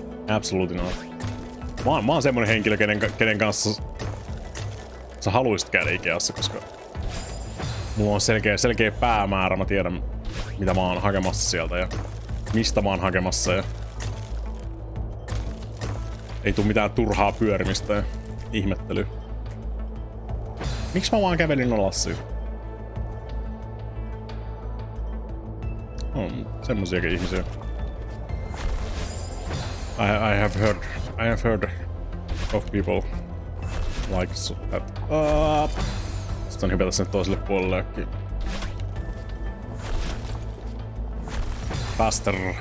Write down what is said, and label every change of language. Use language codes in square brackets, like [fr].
[en] Absolutely not. [fi] Mä oon semmonen henkilö, kenen kanssa sä haluisit käydä Ikeassa, koska mulla on selkeä päämäärä, mä tiedän mitä mä oon hakemassa sieltä ja mistä mä oon hakemassa ja ei tuu mitään turhaa pyörimistä ja ihmettely. Miksi mä vaan kävelin alassa? On semmosiakin ihmisiä. [en] I have heard of people like that. [fi] Sitten on hypätä sinne toiselle puolellekin. [en] Faster.